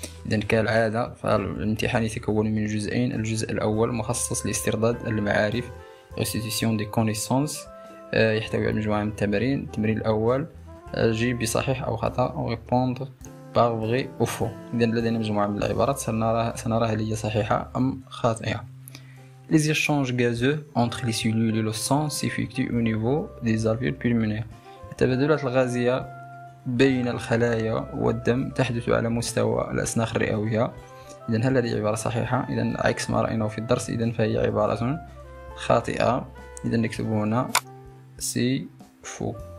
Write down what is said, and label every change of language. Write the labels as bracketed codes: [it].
[ar] إذا كالعادة فالامتحان يتكون من جزئين، الجزء الأول مخصص لاسترداد المعارف [fr] Restitution des connaissances، [ar] يحتوي على مجموعة من التمارين. التمرين الأول أجيب بصحيح أو خطأ أو [fr] répondre par vrai ou faux. [ar] إذا لدينا مجموعة من العبارات سنرى هل هي صحيحة أم خاطئة. [fr] Les échanges gazeux entre les cellules et le sang s'effectuent au niveau des alvéoles pulmonaires. [ar] التبادلات الغازية بين الخلايا والدم تحدث على مستوى الأسناخ الرئوية. إذا هل هذه عبارة صحيحة؟ إذا عكس ما رأيناه في الدرس، إذا فهي عبارة خاطئة. إذا نكتب هنا سي فو.